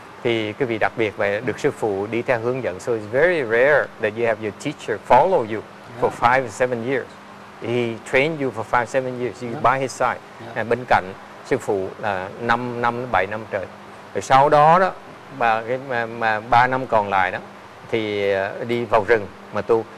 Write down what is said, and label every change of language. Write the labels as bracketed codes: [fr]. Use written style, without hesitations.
[vi] Thì cái vị đặc biệt vậy, được sư phụ đi theo hướng dẫn. [en] So it's very rare that you have your teacher follow you for 5-7 years. He trained you for 5-7 years, you by his side. [vi] And bên cạnh sư phụ là 5-7 năm trời. Rồi sau đó đó, mà 3 năm còn lại đó, thì đi vào rừng mà tu.